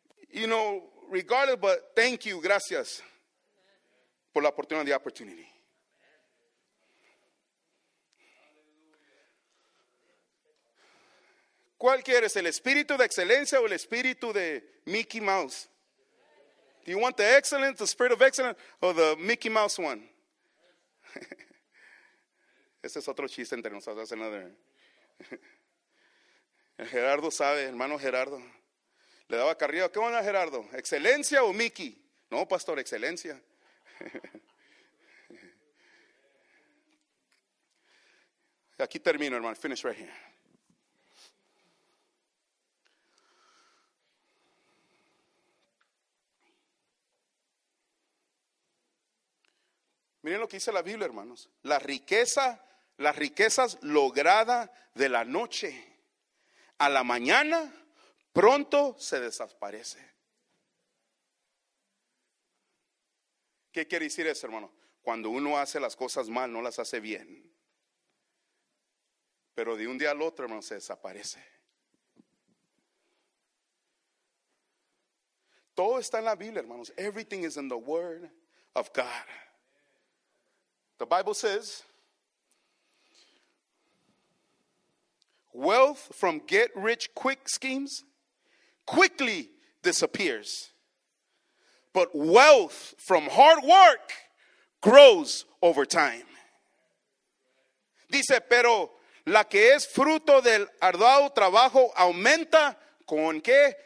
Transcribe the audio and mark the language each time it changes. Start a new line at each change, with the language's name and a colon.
English: You know, regardless, but thank you,
Spanish: gracias. Por la oportunidad,
English: the opportunity.
Spanish: ¿Cuál quieres? ¿El espíritu de excelencia o el espíritu de Mickey Mouse?
English: Do you want the excellence, the spirit of excellence, or the Mickey Mouse one?
Spanish: Ese es otro chiste entre nosotros.
English: That's another.
Spanish: Gerardo sabe, hermano Gerardo. Le daba carrillo. ¿Qué onda, Gerardo? ¿Excelencia o Mickey? No, pastor, excelencia. Aquí termino, hermano.
English: Finish right here.
Spanish: Miren lo que dice la Biblia, hermanos. La riqueza, las riquezas logradas de la noche a la mañana pronto se desaparece. ¿Qué quiere decir eso, hermano? Cuando uno hace las cosas mal, no las hace bien. Pero de un día al otro, hermano, se desaparece. Todo está en la Biblia, hermanos.
English: Everything is in the Word of God. The Bible says, wealth from get-rich-quick schemes quickly disappears, but wealth from hard work grows over time.
Spanish: Dice, pero la que es fruto del arduo trabajo aumenta, ¿con qué?